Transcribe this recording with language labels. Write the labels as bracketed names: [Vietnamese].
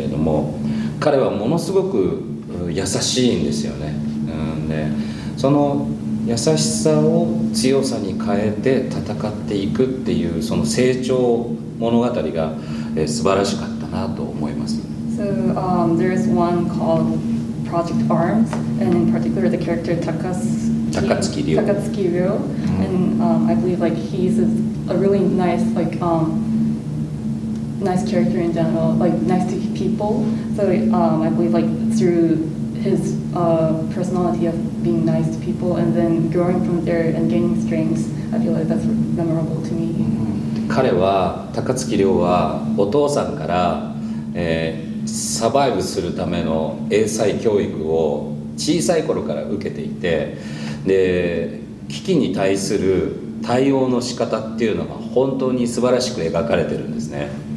[Japanese] たくさんやられてなんかで、フェイトとか枕とかすごい有名で、それでいるんですが、それではないと思われるものって思っているキャラ、キャラクターやシリーズありますか？それですね、プロジェクトアームズっていう作品の高月亮っていう役があるんですけれども、彼はものすごく優しいんですよね、うん、でその優しさを強さに変えて戦っていくっていうその成長物語が、素晴らしかったなと思います。 [English] So、there is one called Project Arms, and in particular the character Takatsuki Ryo、うん、and、I believe like he's a really nice like、nice character in general, like nice to people. So、I believe like through his、personality of being nice to people and then growing from there and gaining strengths, I feel like that's memorable to me. [Japanese] 彼は、高槻涼はお父さんから、サバイブするための英才教育を小さい頃から受けていて、で危機に対する対応の仕方っていうのが本当に素晴らしく描かれてるんですね。